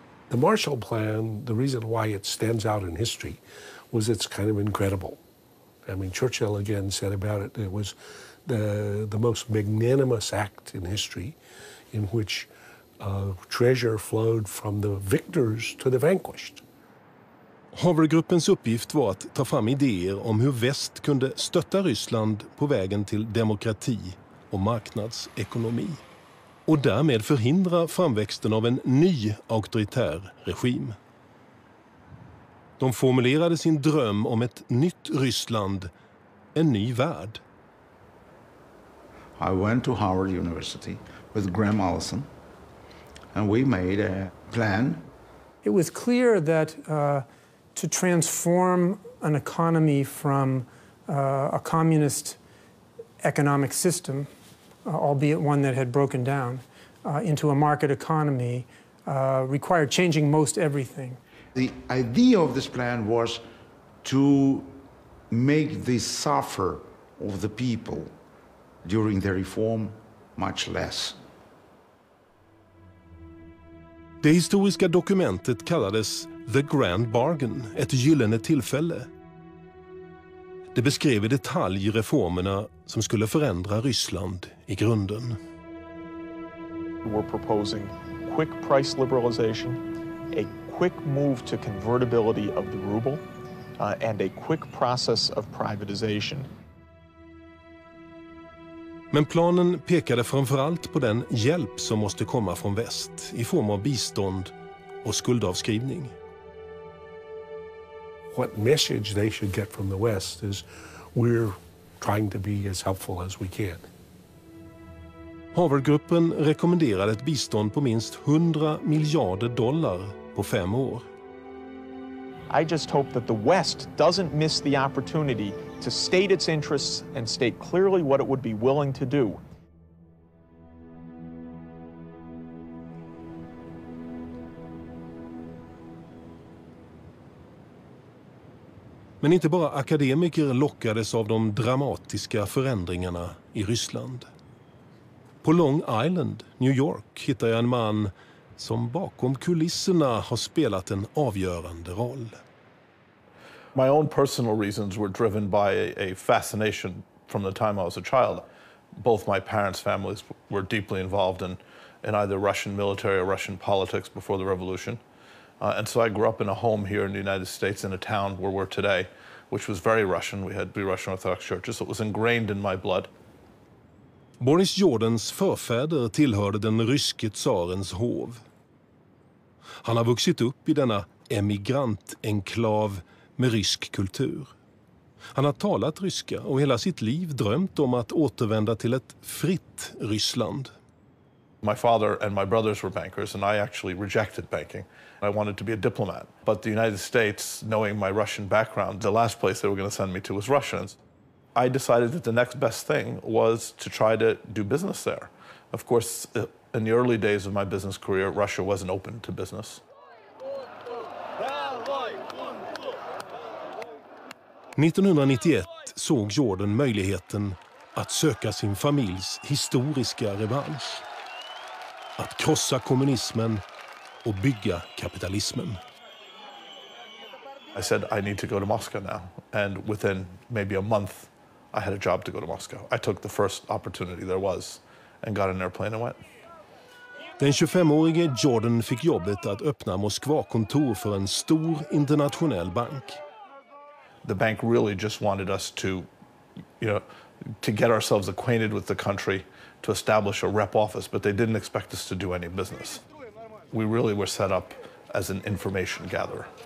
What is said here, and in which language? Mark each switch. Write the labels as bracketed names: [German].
[English] The Marshall Plan, the reason why it stands out in history, was it's kind of incredible. I mean, Churchill again said about it, it was the most magnanimous act in history, in which treasure flowed from the victors to the vanquished. [Swedish] Harvardgruppens uppgift var att ta fram idéer om hur väst kunde stötta Ryssland på vägen till demokrati och marknadsekonomi. Och därmed förhindra framväxten av en ny auktoritär regim. De formulerade sin dröm om ett nytt Ryssland, en ny värld. [English] I went to Harvard University with Graham Allison and we made a plan. It was clear that to transform an economy from a communist economic system, albeit one that had broken down, into a market economy, required changing most everything. The idea of this plan was to make the suffer of the people during the reform much less. [Swedish] Det historiska dokumentet kallades The Grand Bargain, ett gyllene tillfälle. Det beskrev i detalj reformerna som skulle förändra Ryssland i grunden. [English] We're proposing quick price liberalization, a quick move to convertibility of the ruble, and a quick process of privatization. [Swedish] Men planen pekade framförallt på den hjälp som måste komma från väst i form av bistånd och skuldavskrivning. [English] What message they should get from the West is we're trying to be as helpful as we can. [Swedish] Harvardgruppen rekommenderade ett bistånd på minst 100 miljarder dollar på 5 år. [English] I just hope that the West doesn't miss the opportunity to state its interests and state clearly what it would be willing to do. [Swedish] Men inte bara akademiker lockades av de dramatiska förändringarna i Ryssland. På Long Island, New York, hittar jag en man som bakom kulisserna har spelat en avgörande roll. [English] My own personal reasons were driven by a fascination from the time I was a child. Both my parents' families were deeply involved in either Russian military or Russian politics before the revolution. And so I grew up in a home here in the United States in a town where we're today, which was very Russian. We had three Russian Orthodox churches, so it was ingrained in my blood. [Swedish] Boris Jordans förfäder tillhörde den ryske tsarens hov. Han har vuxit upp i denna emigrantenklav med rysk kultur. Han har talat ryska och hela sitt liv drömt om att återvända till ett fritt Ryssland. [English] My father and my brothers were bankers and I actually rejected banking. I wanted to be a diplomat. But the United States, knowing my Russian background, the last place they were going to send me to was Russia. I decided that the next best thing was to try to do business there. Of course, in the early days of my business career, Russia wasn't open to business. [Swedish] ...1991 såg Jordan möjligheten att söka sin familjs historiska revansch. Att krossa kommunismen och bygga kapitalismen. [English] I said I need to go to Moscow now. And within maybe a month I had a job to go to Moscow. I took the first opportunity there was and got an airplane and went. [Swedish] Den 25-årige Jordan fick jobbet att öppna Moskva-kontor för en stor internationell bank. [English] The bank really just wanted us to, you know, to get ourselves acquainted with the country, to establish a rep office, but they didn't expect us to do any business. We really were set up as an information gatherer.